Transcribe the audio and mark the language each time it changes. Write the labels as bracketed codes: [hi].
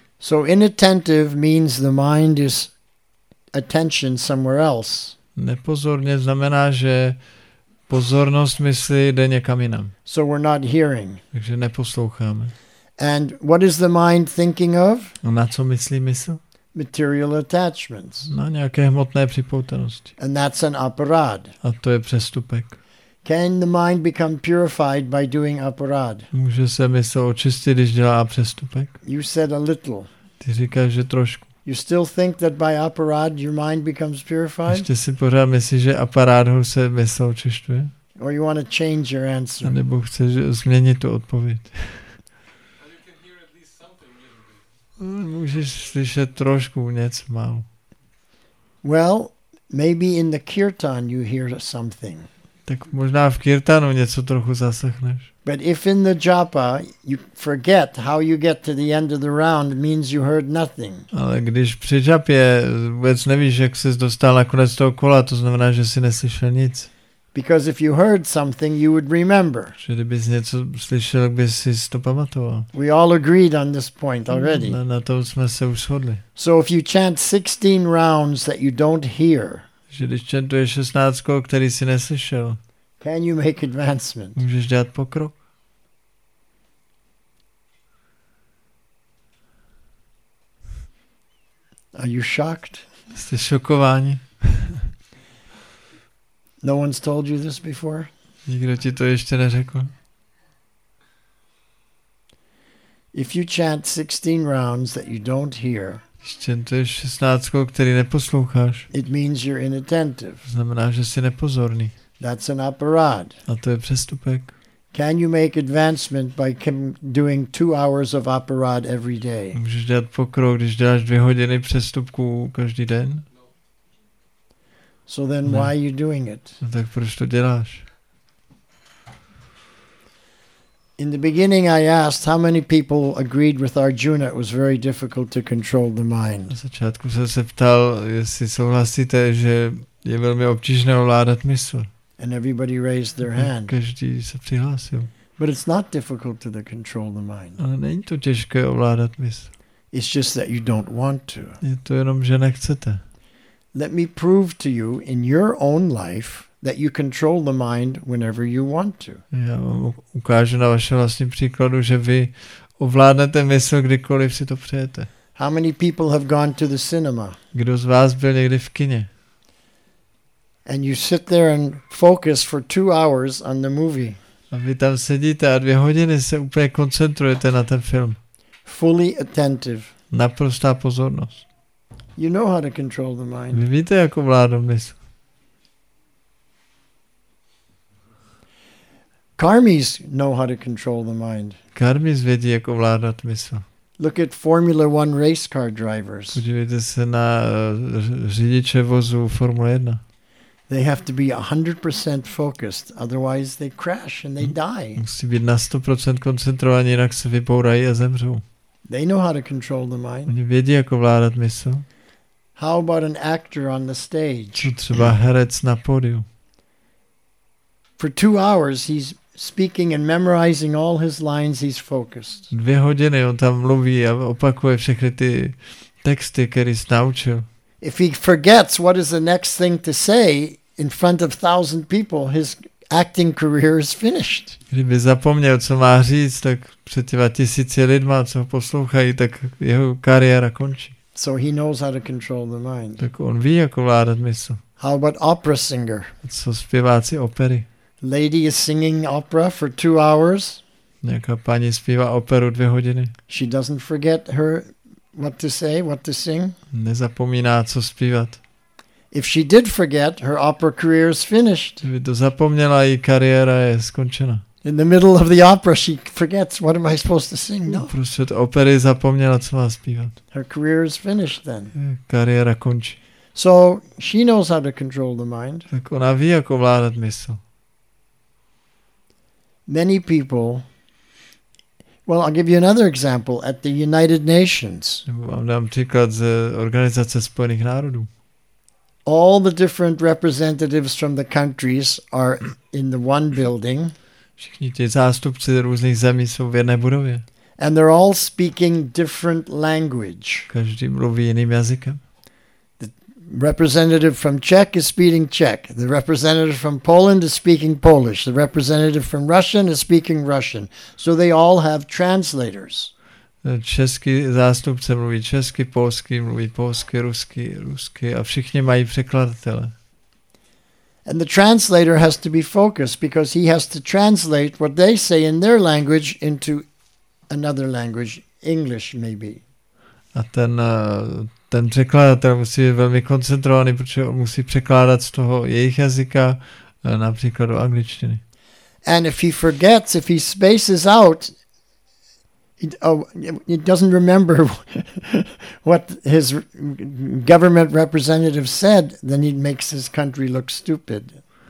[en] So inattentive means the mind is attention somewhere else. [cs] Nepozorně znamená, že pozornost mysli jde někam jinam. [en] So we're not hearing. [cs] Takže neposloucháme. [en] And what is the mind thinking of? [cs] A na co myslí mysl? [en] Material attachments. [cs] Na nějaké hmotné připoutanosti. [en] And that's an aparad. [cs] A to je přestupek. [en] Can the mind become purified by doing aparad? [cs] Může se mysl očistit, když dělá přestupek? [en] You said a little. [cs] Ty říkáš, že trošku. You still think that by aparad your mind becomes purified? Ještě si pořád myslíš, že aparádou se mysl očišťuje? Or you want to change your answer? A nebo chceš změnit tu odpověď? Můžeš slyšet trošku něco málo. [en] Well, maybe in the kirtan you hear something. [cs] Tak možná v kirtanu něco trochu zaslechneš. [en] But if in the japa you forget how you get to the end of the round, means you heard nothing. [cs] Ale když při japě vůbec nevíš, jak ses dostal na konec toho kola, to znamená, že jsi neslyšel nic. [en] Because if you heard something, you would remember. [cs] Že kdybys něco slyšel, bys si to pamatoval. [en] We all agreed on this point already. [cs] Na tom jsme se už shodli. [en] So if you chant 16 rounds that you don't hear, [cs] že když chantuješ 16 kol, který si neslyšel, [en] can you make advancement? [cs] Můžeš dělat pokrok? [en] Are you shocked? [cs] Jste šokováni? [en] No one's told you this before? [cs] Nikdo ti to ještě neřekl. [en] If you chant 16 rounds that you don't hear, [cs] chantuješ 16, který neposloucháš, [en] it means you're inattentive. [cs] Znamená, že jsi nepozorný. [en] That's an aparad. [cs] A to je přestupek. [en] Can you make advancement by doing 2 hours of aparad every day? [cs] Můžeš dělat pokrok, když děláš 2 hodiny přestupku každý den? [en] So then why are you doing it? [cs] No, tak proč to děláš? [en] In the beginning I asked how many people agreed with Arjuna it was very difficult to control the mind. [cs] Na začátku jsem se ptal, jestli souhlasíte, že je velmi obtížné ovládat mysl. [en] And everybody raised their hand. [cs] Každý se přihlásil. [en] But it's not difficult to control the mind. [cs] Ale není to těžké ovládat mysl. [en] It's just that you don't want to. [cs] Je to jenom, že nechcete. [en] Let me prove to you in your own life that you control the mind whenever you want to. [cs] Já vám ukážu na vašem vlastním příkladu, že vy ovládnete mysl, kdykoliv si to přejete. [en] How many people have gone to the cinema? [cs] Kdo z vás byl někdy v kině? [en] And you sit there and focus for 2 hours on the movie. [cs] A vy tam sedíte a 2 hodiny se úplně koncentrujete na ten film. [en] Fully attentive. [cs] Naprostá pozornost. [en] You know how to control the mind. [cs] Vy víte, jak ovládat mysl. [en] Karmis know how to control the mind. [cs] Karmis vědí, jak ovládat mysl. [en] Look at Formula One race car drivers. [cs] Podívejte se na řidiče vozu Formule 1. [en] They have to be 100% focused, otherwise they crash and they die. [cs] Musí být na 100% koncentrovaní, jinak se vybourají a zemřou. [en] They know how to control the mind. [cs] Oni vědí, jak ovládat mysl. [en] How about an actor on the stage? [cs] Co třeba herec na pódiu? [en] For 2 hours he's speaking and memorizing all his lines, he's focused. [cs] 2 hodiny on tam mluví a opakuje všechny ty texty, které se naučil. [en] If he forgets what is the next thing to say in front of 1,000 people, his acting career is finished. [cs] Kdyby zapomněl, co má říct, tak před těma tisíci lidma, co ho poslouchají, tak jeho kariéra končí. [en] So he knows how to control the mind. [cs] Tak on ví, jak ovládat mysl. [en] How about opera singer? [cs] Co zpěváci opery? [en] Lady is singing opera for 2 hours. [cs] Nějaká paní zpívá operu 2 hodiny. [en] She doesn't forget her what to say, what to sing. [cs] Nezapomíná, co zpívat. [en] If she did forget, her opera career is finished. [cs] Kdyby to zapomněla, její kariéra je skončena. [en] In the middle of the opera, she forgets, what am I supposed to sing? No. [cs] Prostě od opery zapomněla, co má zpívat. [en] Her career is finished then. [cs] Kariéra končí. [en] So, she knows how to control the mind. [cs] Tak ona ví, jak ovládat mysl. [en] Many people, well, I'll give you another example, at the United Nations. [cs] Vám dám příklad z Organizace spojených národů. [en] All the different representatives from the countries are in the one building. [cs] Všichni ti zástupci různých zemí jsou v jedné budově. [en] And they're all speaking different language. [cs] Každý mluví jiným jazykem. [en] The representative from Czech is speaking Czech. The representative from Poland is speaking Polish. The representative from Russian is speaking Russian. So they all have translators. [cs] Český zástupce mluví česky, polský mluví polsky, ruský, ruský a všichni mají překladatele. [en] And the translator has to be focused because he has to translate what they say in their language into another language, English maybe. [cs] A ten překladatel musí být velmi koncentrovaný, protože on musí překládat z toho jejich jazyka například do angličtiny. [en] And if he forgets, if he spaces out, he doesn't remember what his government representative said, then he makes his country look stupid.